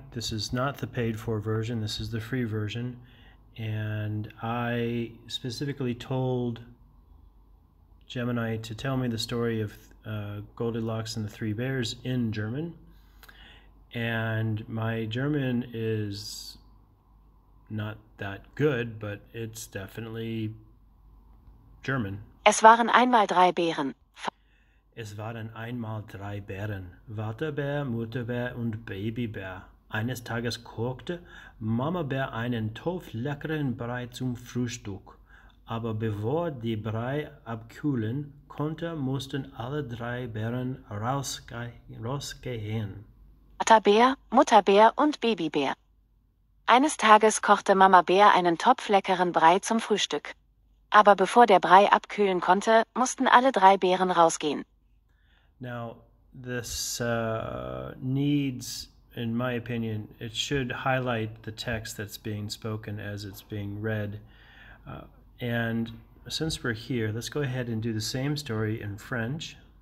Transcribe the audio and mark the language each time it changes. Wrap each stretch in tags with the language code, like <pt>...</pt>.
<en>This is not the paid for version, this is the free version. And I specifically told Gemini to tell me the story of Goldilocks and the Three Bears in German. And my German is not that good, but it's definitely German.</en> <de>Es waren einmal drei Bären. Es waren einmal drei Bären, Vaterbär, Mutterbär und Babybär. Eines Tages kochte Mama Bär einen Topf leckeren Brei zum Frühstück. Aber bevor die Brei abkühlen konnte, mussten alle drei Bären rausgehen. Vaterbär, Mutterbär und Babybär. Eines Tages kochte Mama Bär einen Topf leckeren Brei zum Frühstück. Aber bevor der Brei abkühlen konnte, mussten alle drei Bären rausgehen.</de> <en>Now, this needs, in my opinion, it should highlight the text that's being spoken as it's being read. And since we're here, let's go ahead and do the same story in French.</en>